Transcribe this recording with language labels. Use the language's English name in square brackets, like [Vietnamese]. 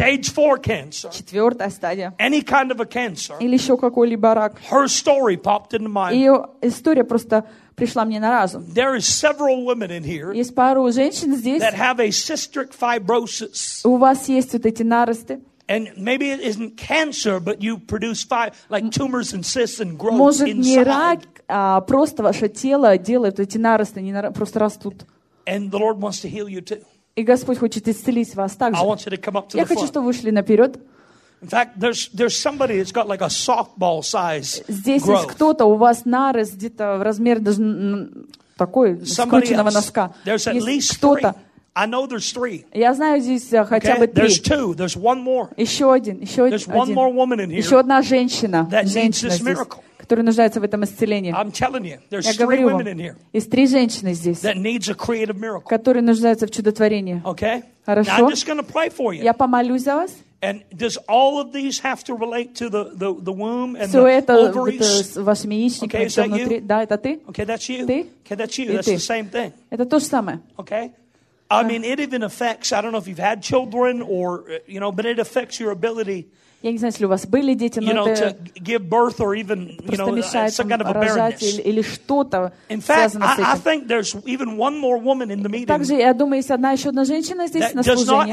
[English] stage 4 cancer, [Russian] четвертая стадия, [English] any kind of a cancer, [Russian] или еще какой-либо рак, [English] her story popped into my [Russian] ее история просто пришла мне на разум. [English] There is several women in here, [Russian] есть пару женщин здесь, [English] that have a cystic fibrosis, [Russian] у вас есть вот эти наросты. [English] And maybe it isn't cancer, but you produce like tumors and cysts and growth [Russian] может, [English] inside. [Russian] Может не рак, а просто ваше тело делает эти наросты, они просто растут. [English] And the Lord wants to heal you too. [Russian] И Господь хочет исцелить вас также. [English] I want you to come up to [Russian] Я хочу, чтобы вы шли наперед. [English] In fact, there's somebody that's got like a softball size [Russian] Здесь [English] growth. [Russian] Есть кто-то, у вас нарост где-то в размер даже такой скрученного носка. [English] There's at least [Russian] кто-то. [English] Three. I know there's three. [Russian] Я знаю здесь хотя бы три. [English] There's two. There's one more. [Russian] Еще один. [English] There's one more woman in here. [Russian] Еще одна женщина. [English] That needs this miracle. [Russian] Которая нуждается в этом исцелении. [English] I'm telling you, there's [Russian] Я говорю [English] three [Russian] вам, [English] women in here. [Russian] Есть три женщины здесь. [English] That needs a creative miracle. [Russian] Которые нуждаются в чудотворении. [English] Okay. [Russian] Хорошо. [English] I'm just going to pray for you. [Russian] Я помолюсь за вас. [English] And does all of these have to relate to the womb and the ovaries? [Russian] Вашими яичниками, [English] okay, is that [Russian] внутри? [English] You? [Russian] Да, это ты. [English] Okay, that's you. [Russian] Ты? [English] Okay, that's you. That's [Russian] ты. [English] The same thing. [Russian] Это то же самое. [English] Okay. I mean, it even affects. I don't know if you've had children or you know, but it affects your ability. [Russian] Я не знаю, если у вас были дети, но [English] you know, to give birth or even you know, some kind of a barrenness. [Russian] Или что-то. [English] In fact, I think there's even one more woman in the meeting. [Russian] Также я думаю, есть одна еще одна женщина здесь на служении.